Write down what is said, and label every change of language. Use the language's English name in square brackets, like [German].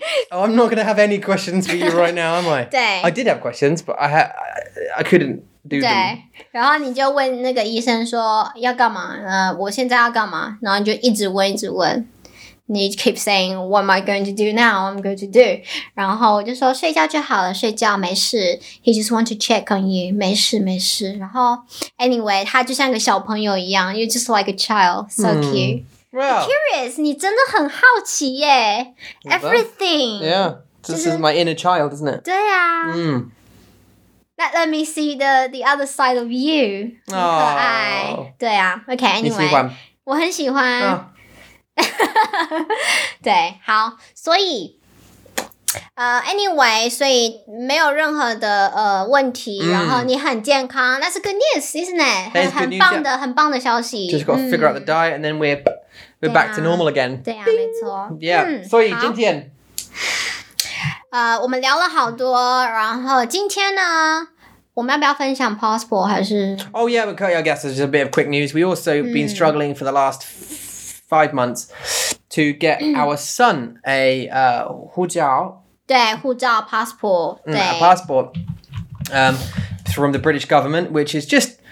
[English] oh, I'm not going to have any questions for you right now, am I? [Chinese] 对。 [English] I did have questions, but I couldn't do [Chinese] 对对。然后你就问那个医生说要干嘛？我现在要干嘛？然后你就一直问。你 [English] keep saying, what am I going to do now? I'm going to do. [Chinese] 然后我就说睡觉就好了，睡觉没事。 [English] He just want to check on you. [Chinese] 没事。然后 [English] anyway, [Chinese] 他就像个小朋友一样。 [English] You're just like a child. So cute. Well, curious. [Chinese] 你真的很好奇耶。 [English] Everything. Yeah. This is my inner child, isn't it? [Chinese] 对啊。 [English] Let me see the other side of you. [Chinese] 很可爱。对啊。 [English] Okay, anyway. [Chinese] 你喜欢。我很喜欢。对，好，所以 [English] anyway， [Chinese] 所以没有任何的问题，然后你很健康 ， [English] That's a good news, isn't it？ [Chinese] 很棒的，很棒的消息。 [English] Just got to figure out the diet, and then we're back to normal again. [Chinese] 对啊，没错。 [English] Yeah， [Chinese] 所以今天，我们聊了好多，然后今天呢？我们要不要分享 passport 还是 [English] ？Oh yeah, but I guess it's just a bit of quick news. We also been struggling for the last 5 months to get our son a [Chinese] 护照，对护照 passport， 对 [English] a passport from the British government, which is just